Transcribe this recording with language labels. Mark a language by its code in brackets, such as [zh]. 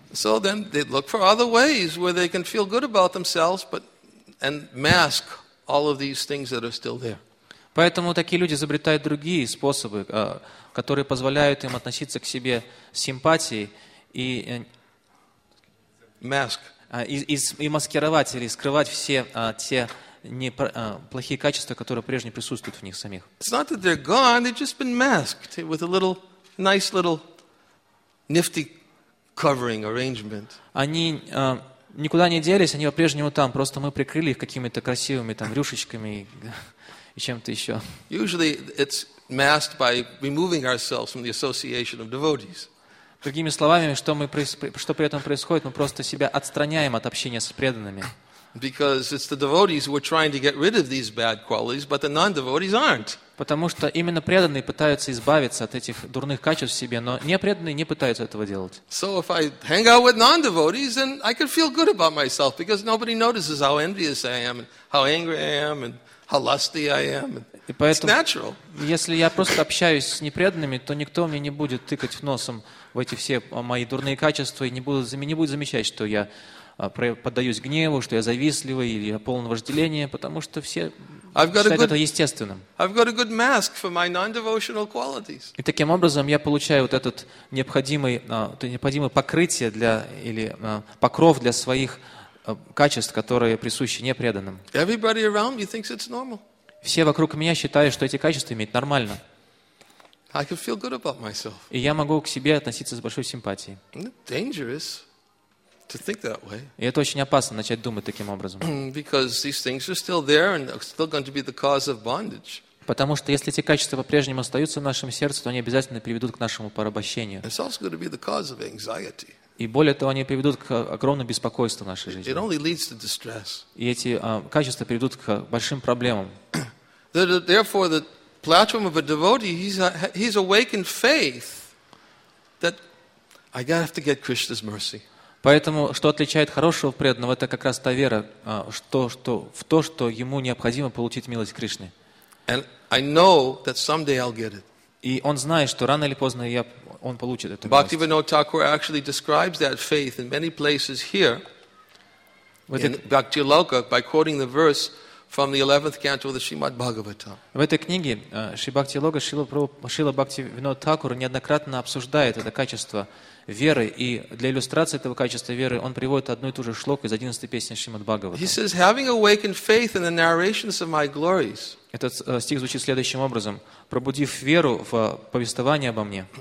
[en] So then they look for other ways where they can feel good about themselves, and mask all of these things that are still there. [ru] Поэтому такие люди изобретают другие способы, которые позволяют им относиться к себе с симпатией и [en] mask. [ru] И маскировать или скрывать все те плохие качества, которые прежде присутствуют в них самих. [en] It's not that they're gone, they've just been masked with a little nice little nifty covering arrangement. [ru] Они никуда не делись, они по-прежнему там, просто мы прикрыли их какими-то красивыми там рюшечками и чем-то еще. [en] Usually it's masked by removing ourselves from the association of devotees. [ru] Другими словами, что при этом происходит, мы просто себя отстраняем от общения с преданными. [en] Because it's the devotees who are trying to get rid of these bad qualities, but the non-devotees aren't. [ru] Потому что именно преданные пытаются избавиться от этих дурных качеств в себе, но непреданные не пытаются этого делать. [en] So if I hang out with non-devotees, then I can feel good about myself because nobody notices how envious I am and how angry I am and how lusty I am. It's natural. [ru] Если я просто общаюсь с непреданными, то никто мне не будет тыкать носом в эти все мои дурные качества и не будет замечать, что я поддаюсь гневу, что я завистливый или я полон вожделения, потому что все считают это естественным. [en] I've got a good mask for my non-devotional qualities. [ru] И таким образом я получаю вот этот необходимое покрытие покров для своих качеств, которые присущи непреданным. [en] Everybody around me thinks it's normal. [ru] Все вокруг меня считают, что эти качества иметь нормально. [en] I can feel good about myself. [ru] И я могу к себе относиться с большой симпатией. [en] Isn't it dangerous to think that way? [ru] И это очень опасно, начать думать таким образом. [en] Because these things are still there and still going to be the cause of bondage. [ru] Потому что если эти качества по-прежнему остаются в нашем сердце, то они обязательно приведут к нашему порабощению. [en] It's also going to be the cause of anxiety. [ru] И более того, они приведут к огромному беспокойству в нашей жизни. [en] It only leads to distress. [ru] И эти качества приведут к большим проблемам. [en] Therefore, the platform of a devotee, he's awakened faith that I gotta have to get Krishna's mercy. [ru] Поэтому, что отличает хорошего преданного, это как раз та вера, что ему необходимо получить милость Кришны. [en] And I know that someday I'll get it. [ru] И он знает, что рано или поздно он получит эту милость. [en] Bhaktivinoda Thakur actually describes that faith in many places here in Bhakti Loka by quoting the verse from the 11th canto of the Srimad Bhagavatam. [ru] В этой книге Шибактилога Шрила Бхактивинода Тхакура неоднократно обсуждает это качество веры, и для иллюстрации этого качества веры он приводит одну и ту же шлоку из 11-й песни Шримад Бхагаватам. [en] He says, having awakened faith in the narrations of my glories. [ru] Этот стих звучит следующим образом: пробудив веру в повествование обо мне.